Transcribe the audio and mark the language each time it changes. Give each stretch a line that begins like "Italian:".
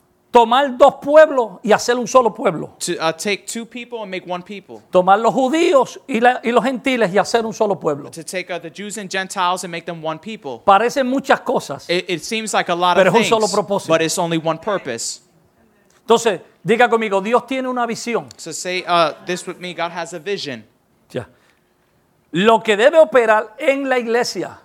Spanish: Tomar dos pueblos y hacer un solo pueblo.
English: To take two people and make one people.
Spanish: Tomar los judíos y los gentiles y hacer un solo pueblo.
English: To take the Jews and Gentiles and make them one people.
Spanish: Parecen muchas cosas.
English: It seems like a lot of things.
Spanish: Pero es un solo propósito.
English: But it's only one purpose.
Spanish: Entonces, diga conmigo, Dios tiene una visión.
English: So say this with me, God has a vision.
Spanish: Yeah. Lo que debe operar en la iglesia.